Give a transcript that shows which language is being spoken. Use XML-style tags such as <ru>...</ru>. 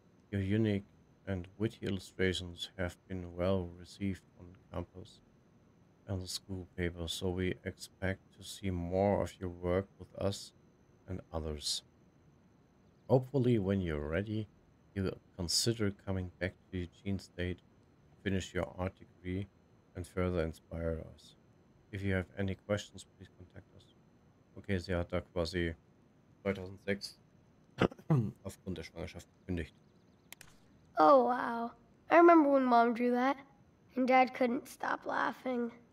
<en>Your unique and witty illustrations have been well received on campus and the school paper, so we expect to see more of your work with us and others. Hopefully, when you're ready, you'll consider coming back to Eugene State, finish your art degree, and further inspire us. If you have any questions, please contact us.</en> <de>Okay, sie hat da quasi 2006 aufgrund der Schwangerschaft gekündigt.</de> <en>Oh wow. I remember when Mom drew that, and Dad couldn't stop laughing.</en>